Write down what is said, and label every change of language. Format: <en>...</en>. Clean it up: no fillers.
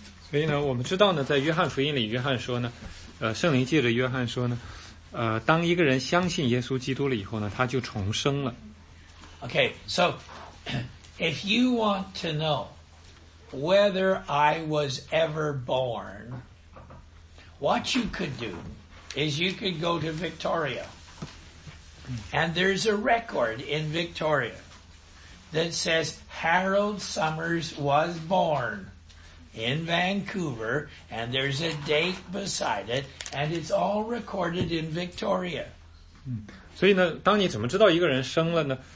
<zh>所以呢，我们知道呢，在约翰福音里，约翰说呢，圣灵借着约翰说呢，当一个人相信耶稣基督了以后呢，他就重生了。</zh> <en>Okay, so if you want to know whether I was ever born, what you could do is you could go to Victoria. And there's a record in Victoria that says Harold Summers was born in Vancouver, and there's a date beside it, and it's all recorded in Victoria.</en> <zh>所以呢，当你怎么知道一个人生了呢？</zh>